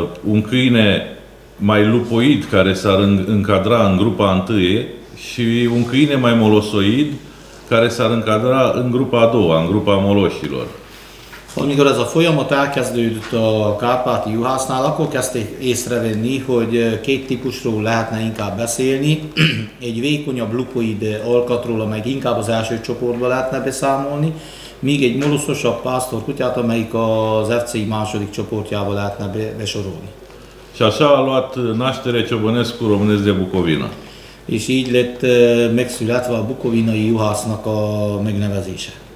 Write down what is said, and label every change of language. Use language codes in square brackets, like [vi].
[ro] Un câine mai lupoid, care s-ar încadra în grupa întâie, și un câine mai molosoid, care s-ar încadra în grupa a doua, în grupa moloșilor. [hu] Amikor ez a folyamat elkezdődött a kárpáti juhásznál, akkor kezdték észrevenni, hogy két típusról lehetne inkább beszélni. Egy vékonyabb lupoid alkatról, amely inkább az első csoportba lehetne beszámolni, míg egy moloszosabb pásztor kutyát, amelyik az FCI második csoportjába lehetne besorolni. [ro] És așa a luat naștere Ciobănescu românesc de Bucovina. [hu] És így lett megszületve a bukovinai juhásznak a megnevezése.